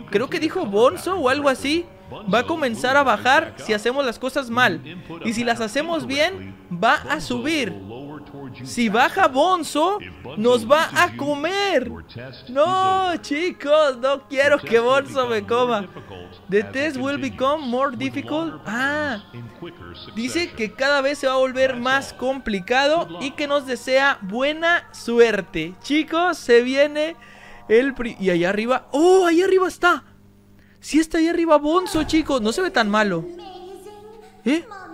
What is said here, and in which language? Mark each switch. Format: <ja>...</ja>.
<es>Creo que dijo Bonzo o algo así. Va a comenzar a bajar si hacemos las cosas mal. Y si las hacemos bien, va a subir. Si baja Bonzo, nos va a comer. No, chicos, no quiero que Bonzo me coma.</es> <en>The test will become more difficult.</en> <es>Ah, dice que cada vez se va a volver más complicado y que nos desea buena suerte. Chicos, se viene el... Y allá arriba... ¡Oh, ahí arriba está! Sí está ahí arriba Bonzo, chicos. No se ve tan malo. ¿Eh?</es>